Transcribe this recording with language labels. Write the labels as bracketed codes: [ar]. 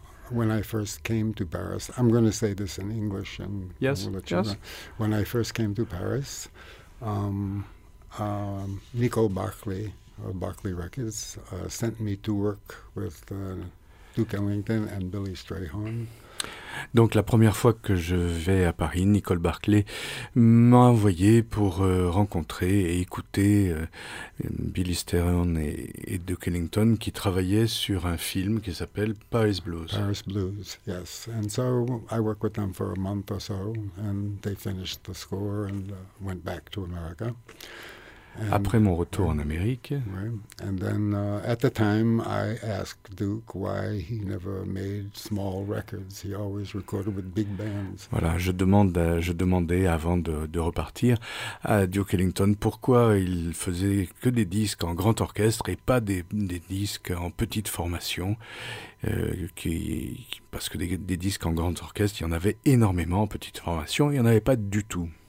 [en] When I first came to Paris, I'm going to say this in English, and yes, we'll let you know. When I first came to Paris, Nicole Barclay of Barclay Records sent me to work with Duke Ellington and Billy Strayhorn. [fr] Donc la première fois que je vais à Paris, Nicole Barclay m'a envoyé pour rencontrer et écouter Billy Strayhorn et Duke Ellington qui travaillaient sur un film qui s'appelle Paris Blues. [en] Paris Blues, yes. And so I worked with them for a month or so, and they finished the score and went back to America. [fr] Après mon retour en Amérique. [en] Right. And then at the time I asked Duke why he never made small records. He always recorded with big bands. [fr] Voilà, je demandais avant de repartir à Duke Ellington pourquoi il faisait que des disques en grand orchestre et pas des disques en petite formation. Parce que des disques en grand orchestre, il y en avait énormément en petite formation, il n'y en avait pas du tout.